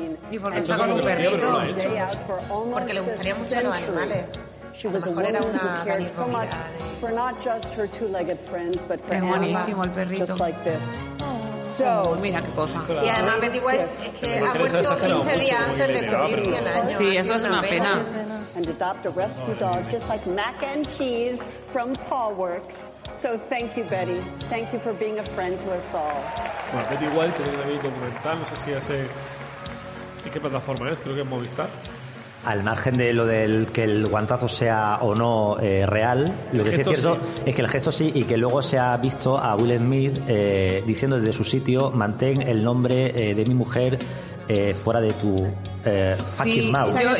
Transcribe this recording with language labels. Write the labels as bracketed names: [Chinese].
[Spanish] Y porque está con un perrito. Porque le gustaría mucho a los animales. Es buenísimo el perrito. Mira qué cosa. Y además Betty White es que ha muerto 15 días antes de cumplir 100 años. Sí, eso es una pena. [English] And adopt a rescue dog just like Mac and Cheese from Paw Works. So thank you, Betty. Thank you for being a friend to us all. [Spanish] Bueno, Betty White tiene también un documental, no sé si hace. ¿Y qué plataforma es? Creo que es Movistar. Al margen de lo del que el guantazo sea o no real, lo que sí es cierto es que el gesto sí, y que luego se ha visto a Will Smith diciendo desde su sitio, mantén el nombre de mi mujer fuera de tu [English] fucking mouth.